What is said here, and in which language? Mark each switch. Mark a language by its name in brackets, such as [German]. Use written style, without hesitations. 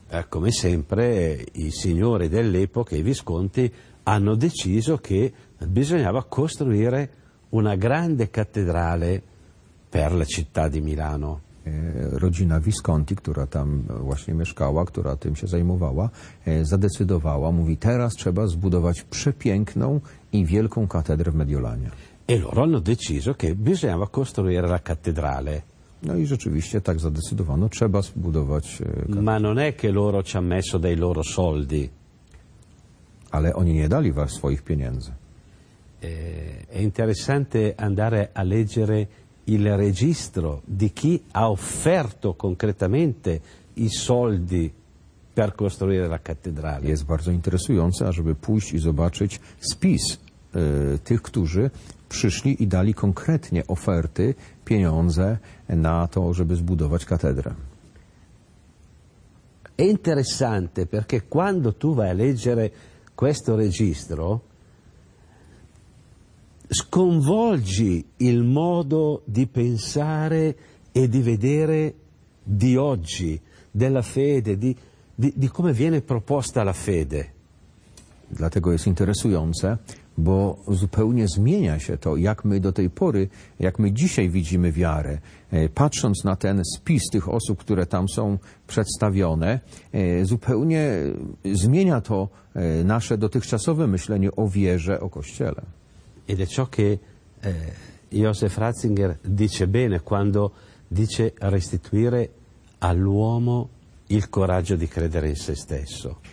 [Italian] Come sempre i signori dell'epoca, i Visconti, hanno deciso che bisognava costruire una grande cattedrale per la città di Milano. [Polish] Rodzina Visconti, która tam właśnie mieszkała, która tym się zajmowała, zadecydowała, mówi, teraz trzeba zbudować przepiękną i wielką katedrę w Mediolanie. [Italian] E loro hanno deciso che bisognava costruire la cattedrale. [Polish] No i rzeczywiście tak zadecydowano, trzeba zbudować katedrę. [Italian] Ma non è che loro ci ha messo dei loro soldi. [Polish] Ale oni nie dali was swoich pieniędzy. [Italian] È interessante andare a leggere il registro di chi ha offerto concretamente i soldi per costruire la cattedrale. [Polish] Jest bardzo interesujące, ażeby pójść i zobaczyć spis tych, którzy przyszli i dali konkretnie oferty, pieniądze na to, żeby zbudować katedrę. [Italian] È interessante perché quando tu vai a leggere questo registro sconvolgi il modo di pensare e di vedere di oggi, della fede, di come viene proposta la fede. [Polish] Dlatego jest interesujące, bo zupełnie zmienia się to, jak my do tej pory, jak my dzisiaj widzimy wiarę. Patrząc na ten spis tych osób, które tam są przedstawione, zupełnie zmienia to nasze dotychczasowe myślenie o wierze, o Kościele. [Italian] Ed è ciò che Joseph Ratzinger dice bene quando dice restituire all'uomo il coraggio di credere in se stesso.